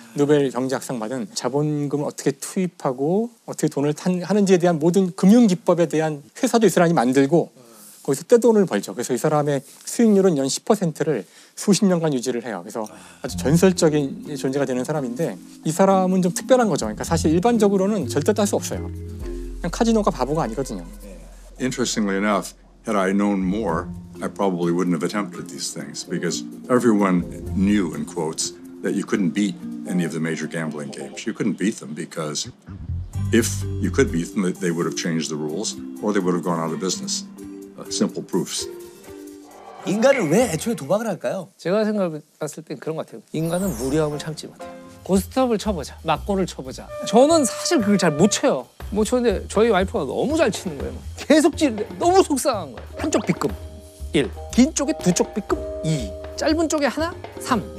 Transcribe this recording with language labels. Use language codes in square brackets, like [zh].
[ko] 노벨 경제학상 받은 자본금을 어떻게 투입하고 어떻게 돈을 하는지에 대한 모든 금융 기법에 대한 회사도 이 사람이 만들고 거기서 떼돈을 벌죠. 그래서 이 사람의 수익률은 연 10%를 수십 년간 유지를 해요. 그래서 아주 전설적인 존재가 되는 사람인데 이 사람은 좀 특별한 거죠. 그러니까 사실 일반적으로는 절대 딸 수 없어요. 그냥 카지노가 바보가 아니거든요. [en] Interestingly enough. Had I known more, I probably wouldn't have attempted these things because everyone knew, in quotes, that you couldn't beat any of the major gambling games. You couldn't beat them because If you could beat them, they would have changed the rules or they would have gone out of business. Simple proofs. [ko] 인간은 왜 애초에 도박을 할까요? 제가 생각했을 땐 그런 것 같아요. 인간은 무리함을 참지 못해요. 고스톱을 쳐보자, 막골을 쳐보자. 저는 사실 그걸 잘 못 쳐요. 뭐 저는 저희 와이프가 너무 잘 치는 거예요. 막. 계속 찌르는데 너무 속상한 거예요. 한쪽 삐끔 1, 긴 쪽에 두 쪽 삐끔 2, 짧은 쪽에 하나 3.